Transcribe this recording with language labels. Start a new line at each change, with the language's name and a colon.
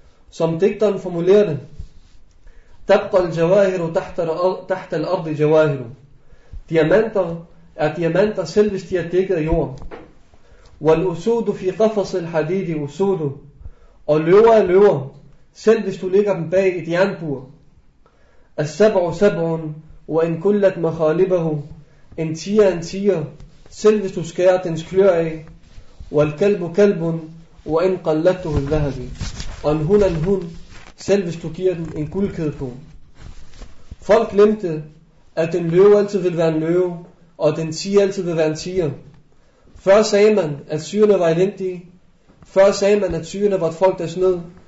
Danish: Som digteren formulerede,
Arabic: تبقى الجواهر تحت الأرض جواهر.
Danish: Diamanter er diamanter, selv hvis de er dækket af jorden.
Arabic: والأسود في قفص الحديد أسود.
Danish: Og løver er løver, selv hvis du ligger dem bag et jernbur.
Arabic: السبع سبع وإن كلت مخالبه.
Danish: En tiger en tiger, selv hvis du skærer dens klør af.
Arabic: والكلب كلب وإن قلته الذهب.
Danish: Og en hund en hund, selv hvis du giver den en guldkæde på. Folk glemte, at en løve altid vil være en løve, og at en tiger altid vil være en tiger. Før sagde man, at syrerne var elendige. Før sagde man, at syrerne var et folk, der snød.